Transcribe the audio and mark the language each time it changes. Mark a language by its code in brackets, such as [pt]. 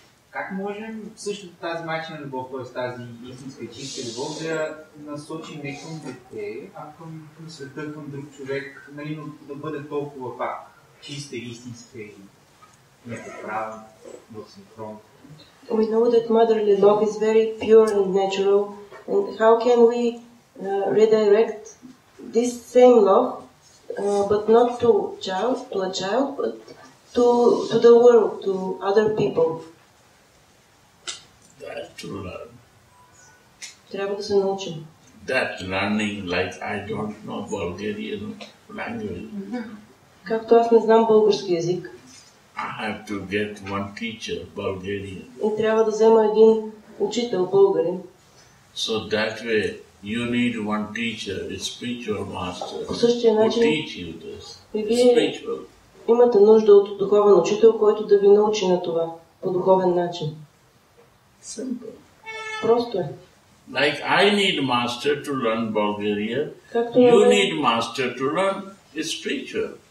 [bg] Как можем всъщност тази майчина любов, т.е. тази истинска и чиста любов, да насочим не към дете, а към света, към друг човек, нали, но да бъде толкова пак чиста и истинска и непоправна, в синхрон? [en] We know that motherly love is very pure and natural. And how can we redirect this same love, but not to child, to a child, but to the world, to other people? That to learn. [bg] Трябва да се научим. [en] That learning, like I don't know Bulgarian language. [bg] Както аз не знам български език. [en] I have to get one teacher, Bulgarian. [bg] И трябва да взема един учител българин. [en] So that way you need one teacher, a spiritual master, [bg] по същия начин, [en] who teach you this. Spiritual. [bg] Имате нужда от духовен учител, който да ви научи на това по духовен начин. [en] Simple. [bg] Просто е. [en] Like I need master to learn Bulgaria, [bg] както [en] you need master to learn spiritual.